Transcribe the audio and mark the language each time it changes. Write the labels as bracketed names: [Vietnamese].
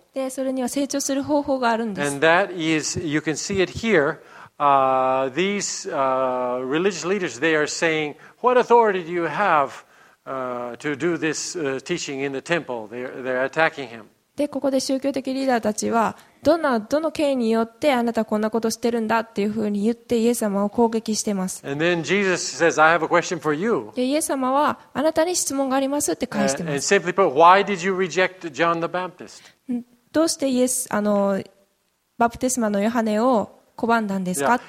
[Japanese] で、それには成長する方法があるんです。 [English] And that is, you can see it here. These religious leaders, they are saying, what authority do you have to do this teaching in the temple? They're attacking him. [Japanese] で、ここで宗教的リーダーたちは、どの権威によってあなたはこんなことをしてるんだっていうふうに言ってイエス様を攻撃してます。 [English] And then Jesus says, I have a question for you. [Japanese] で、イエス様はあなたに質問がありますって返してます。 [English] And simply put, why did you reject John the Baptist? [Japanese] どうしてイエス、バプテスマのヨハネを拒んだんですか？